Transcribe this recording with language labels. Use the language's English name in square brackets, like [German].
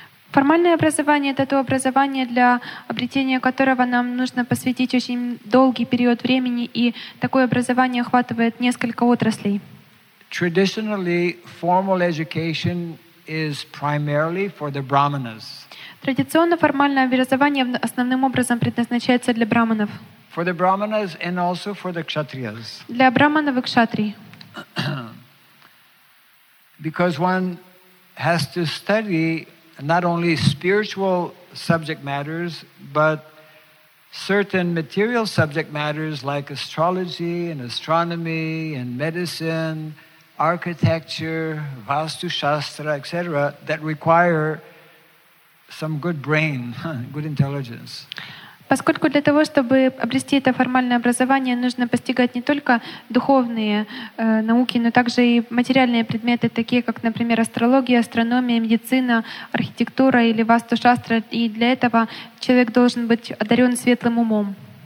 [Russian] Формальное образование — это то образование, для обретения которого нам нужно посвятить очень долгий период времени, и такое образование охватывает несколько отраслей. [English] Traditionally, formal education is primarily for the brahmanas. [Russian] Традиционно формальное образование основным образом предназначается для брахманов. [English] For the brahmanas and also for the kshatriyas. [Russian] Для брахманов и кшатрий. [English] Because one has to study not only spiritual subject matters, but certain material subject matters like astrology and astronomy and medicine, architecture, Vastu Shastra, etc., that require some good brain, good intelligence. [Russian] Поскольку для того, чтобы обрести это формальное образование, нужно постигать не только духовные науки, но также и материальные предметы, такие как, например, астрология, астрономия, медицина, архитектура или вастушастра. И для этого человек должен быть одарен светлым умом.